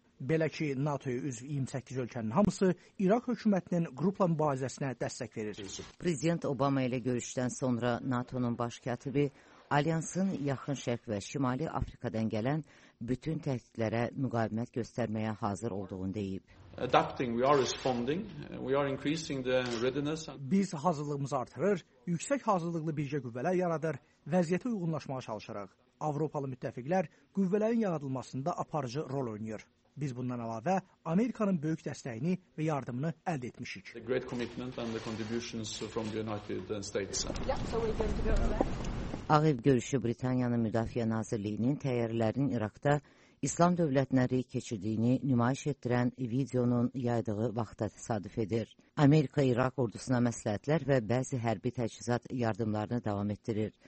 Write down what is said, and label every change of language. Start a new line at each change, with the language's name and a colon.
Azerbaijani: Belə ki, NATO-ya üzv 28 ölkənin hamısı İraq hökumətinin qrupla mübarizəsinə dəstək verir. Prezident Obama ilə görüşdən sonra NATO-nun baş katibi Alyansın yaxın şərq və şimali Afrikadan gələn bütün təhdidlərə müqavimət göstərməyə hazır olduğunu deyib.
English: Adapting, we are responding, we are increasing the readiness.
Azerbaijani: Biz hazırlığımızı artırır, yüksək hazırlıqlı birgə qüvvələr yaradır, vəziyyətə uyğunlaşmağa çalışırıq. Avropalı müttəfiqlər qüvvələrin yaradılmasında aparıcı rol oynayır. Biz bundan əlavə Amerikanın böyük dəstəyini və yardımını əldə etmişik.
English: The great commitment and the contributions from the United States.
Azerbaijani: Ağ Ev görüşü Britaniyanın Müdafiə Nazirliyinin təyyarələrin İraqda İslam dövlətinə rey keçirdiyini nümayiş etdirən videonun yaydığı vaxta təsadüf edir. Amerika İraq ordusuna məsləhətlər və bəzi hərbi təchizat yardımlarını davam etdirir.